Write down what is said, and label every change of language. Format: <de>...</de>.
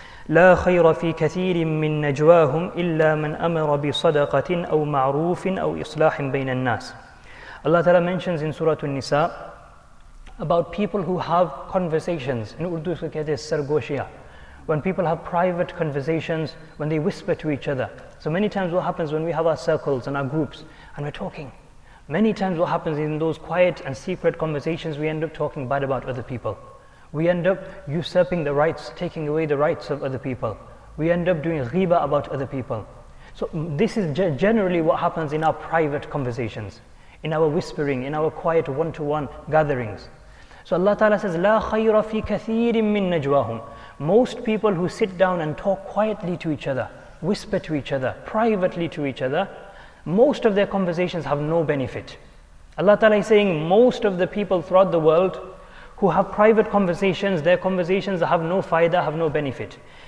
<ar>لا خير في كثير من نجواهم إلا من أمر بصدقة أو معروف أو إصلاح بين الناس.</ar> <en>Allah Ta'ala mentions in Surah An-Nisa about people who have conversations. In Urdu, we call this sargoshia. When people have private conversations, when they whisper to each other. So many times what happens when we have our circles and our groups and we're talking. Many times what happens in those quiet and secret conversations, we end up talking bad about other people. We end up usurping the rights, taking away the rights of other people. We end up doing ghibah about other people. So this is generally what happens in our private conversations, in our whispering, in our quiet one-to-one gatherings. So Allah Ta'ala says,</en> <ar>لا خير في كثير من نجواهم.</ar> <en>Most people who sit down and talk quietly to each other, whisper to each other, privately to each other, most of their conversations have no benefit. Allah Ta'ala is saying, most of the people throughout the world who have private conversations, their conversations have no faida, have no benefit.</en>